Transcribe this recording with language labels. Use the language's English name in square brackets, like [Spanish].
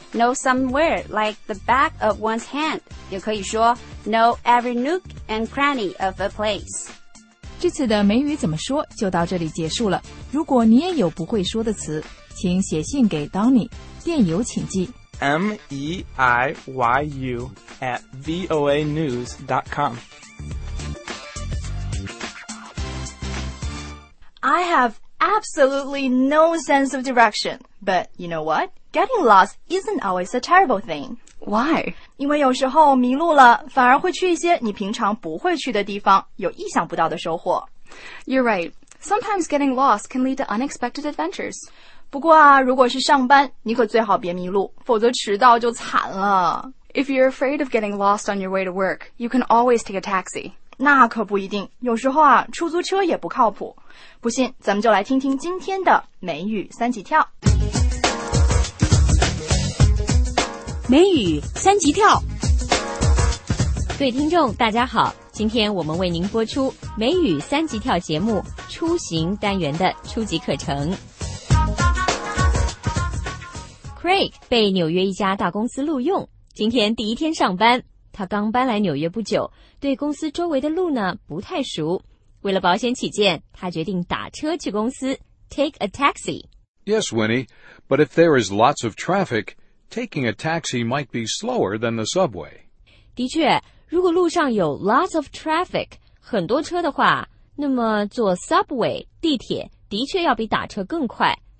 [English] know somewhere like the back of one's hand. [Chinese] 也可以说 [English] know every nook and cranny of a place. [Chinese] 这次的美语怎么说就到这里结束了。如果你也有不会说的词，请写信给 Donny， 电邮请寄。 MEIYU@VOANews.com. [English] I have absolutely no sense of direction. But you know what? Getting lost isn't always a terrible thing. Why? [Chinese] 因为有时候迷路了，反而会去一些你平常不会去的地方，有意想不到的收获。 [English] You're right. Sometimes getting lost can lead to unexpected adventures. [Chinese] 不过啊，如果是上班，你可最好别迷路，否则迟到就惨了。 [English] If you're afraid of getting lost on your way to work, you can always take a taxi. [Chinese] 那可不一定，有时候啊，出租车也不靠谱。不信，咱们就来听听今天的美语三级跳。美语三级跳。各位听众，大家好，今天我们为您播出美语三级跳节目出行单元的初级课程。 Craig 被纽约一家大公司录用，今天第一天上班。他刚搬来纽约不久，对公司周围的路呢不太熟。为了保险起见，他决定打车去公司 ， [English] take a taxi. Yes, Winnie, but if there is lots of traffic, taking a taxi might be slower than the subway. [Chinese] 的确，如果路上有 [English] lots of traffic, [Chinese] 很多车的话，那么坐 subway 地铁的确要比打车更快。